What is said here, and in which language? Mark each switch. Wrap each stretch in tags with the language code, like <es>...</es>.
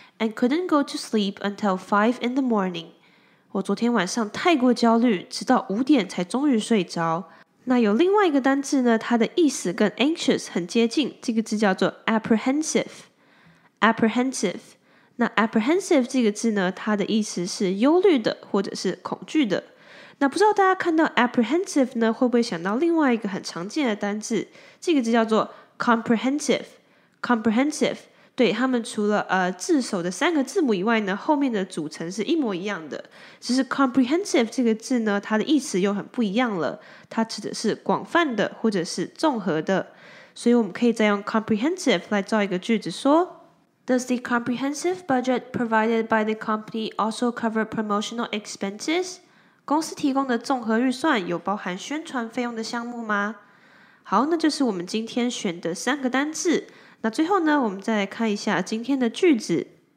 <en>and couldn't go to sleep until 5 in the morning.</en> <zh>我昨天晚上太过焦虑，直到五点才终于睡着。那有另外一个单字呢，它的意思跟 anxious 很接近，这个字叫做 apprehensive。apprehensive。那 apprehensive 这个字呢，它的意思是忧虑的或者是恐惧的。那不知道大家看到 apprehensive 呢，会不会想到另外一个很常见的单字，这个字叫做 comprehensive。comprehensive。对，他们除了字首的三个字母以外呢，后面的组成是一模一样的，只是 comprehensive 这个字呢，它的意思又很不一样了，它指的是广泛的或者是综合的，所以我们可以再用 comprehensive 来造一个句子说</zh> <en>Does the comprehensive budget provided by the company also cover promotional expenses?</en> <zh>公司提供的综合预算有包含宣传费用的项目吗？好，那就是我们今天选的三个单字。那最后呢，我们再来看一下今天的句子。</zh>